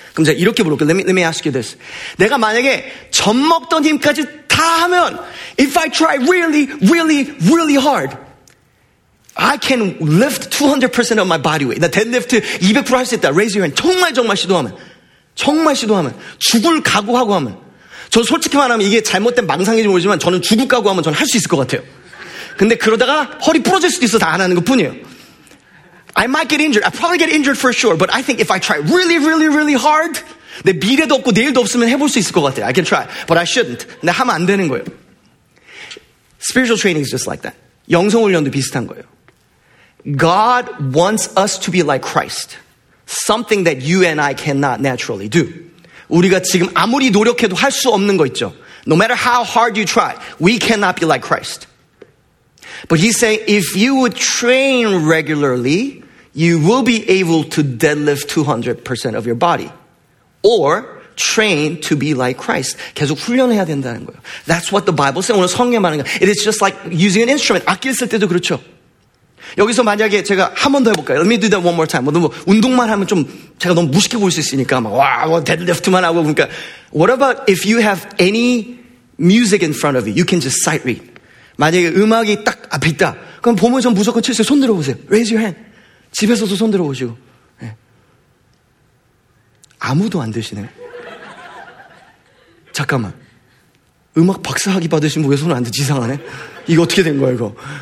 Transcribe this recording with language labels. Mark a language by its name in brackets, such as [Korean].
[Korean] 그럼 제가 이렇게 물어볼게요. [English] Let me ask you this. [Korean] 내가 만약에 젖 먹던 힘까지 다 하면, [English] if I try really, really, really hard, I can lift 200% of my body weight. [Korean] 나 deadlift 200% 할 수 있다. [English] Raise your hand. [Korean] 정말 정말 시도하면. 정말 시도하면. 죽을 각오하고 하면. 저 솔직히 말하면 이게 잘못된 망상인지 모르지만 저는 죽을 각오하면 저는 할 수 있을 것 같아요. 근데 그러다가 허리 부러질 수도 있어서 안 하는 것 뿐이에요. [English] I might get injured. I probably get injured for sure. But I think if I try really, really, really hard, [Korean] 내 미래도 없고 내일도 없으면 해볼 수 있을 것 같아. [English] I can try. But I shouldn't. [Korean] 근데 하면 안 되는 거예요. [English] Spiritual training is just like that. [Korean] 영성훈련도 비슷한 거예요. [English] God wants us to be like Christ. Something that you and I cannot naturally do. [Korean] 우리가 지금 아무리 노력해도 할 수 없는 거 있죠. [English] No matter how hard you try, we cannot be like Christ. But he's saying, if you would train regularly, you will be able to deadlift 200% of your body. Or train to be like Christ. [Korean] 계속 훈련해야 된다는 거예요. [English] That's what the Bible says. [Korean] 오늘 성경에 많은 거. [English] It is just like using an instrument. [Korean] 악기 쓸 때도 그렇죠. 여기서 만약에 제가 한 번 더 해볼까요? [English] Let me do that one more time. [Korean] 뭐, 운동만 하면 좀 제가 너무 무식해 보일 수 있으니까. 막, 와, 와, deadlift만 하고. 그러니까. [English] What about if you have any music in front of you? You can just sight read. [Korean] 만약에 음악이 딱 앞에 있다. 그럼 보면 전 무조건 칠 수 있어요. 손 들어보세요. [English] Raise your hand. [Korean] 집에서도 손 들어보시고. 네. 아무도 안 드시네. 잠깐만. 음악 박사학위 받으신 분 왜 손 안 드지? 이상하네. 이거 어떻게 된 거야, 이거.